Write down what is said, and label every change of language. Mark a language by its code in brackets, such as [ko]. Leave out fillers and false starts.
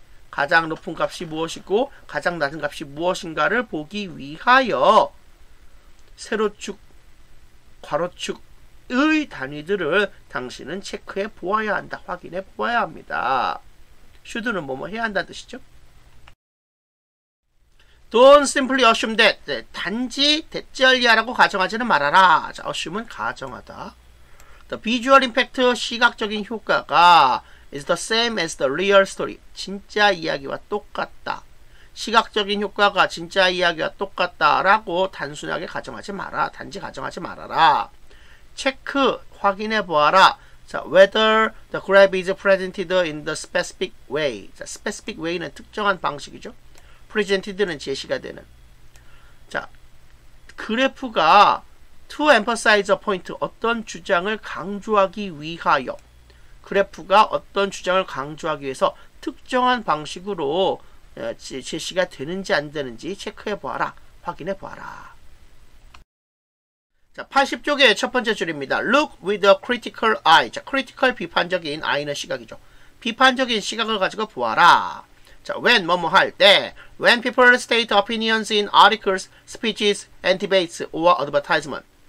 [ko] 가장 높은 값이 무엇이고 가장 낮은 값이 무엇인가를 보기 위하여 세로축, 괄호축 의 단위들을 당신은 체크해 보아야 한다. 확인해 보아야 합니다. should는 뭐뭐 해야 한다는 뜻이죠. [en] Don't simply assume that. [ko] 네, 단지 대절이야라고 가정하지는 말아라. 자, assume은 가정하다. [en] The visual impact, [ko] 시각적인 효과가 [en] is the same as the real story. [ko] 진짜 이야기와 똑같다. 시각적인 효과가 진짜 이야기와 똑같다라고 단순하게 가정하지 마라. 단지 가정하지 말아라. 체크, 확인해 보아라. [en] 자, whether the graph is presented in the specific way. [ko] 자, specific way는 특정한 방식이죠. presented는 제시가 되는. 자, 그래프가 [en] to emphasize a point, [ko] 어떤 주장을 강조하기 위하여. 그래프가 어떤 주장을 강조하기 위해서 특정한 방식으로 제시가 되는지 안 되는지 체크해 보아라. 확인해 보아라. 자, 80쪽의 첫 번째 줄입니다. [en] Look with a critical eye. [ko] 자, critical 비판적인 eye는 시각이죠. 비판적인 시각을 가지고 보아라. [en] 자, when [ko] 뭐뭐 할 때, [en] when people state opinions in articles, speeches, and debates or advertisement.